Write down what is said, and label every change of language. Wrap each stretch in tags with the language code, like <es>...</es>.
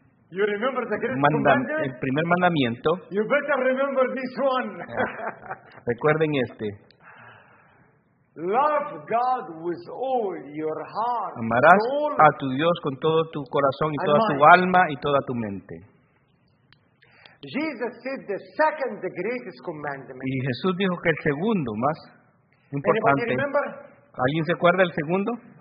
<en>You remember the greatest commandment?</en> <es>El primer mandamiento.</es> <en>You better remember this one.</en> <es>Recuerden este.</es> <en>Love God with all your heart.</en> <es>Amarás a tu Dios con todo tu corazón y toda tu alma y toda tu mente.</es> <en>Jesus said the second the greatest commandment.</en> <es>Y Jesús dijo que el segundo más importante. ¿Alguien se acuerda el segundo?</es>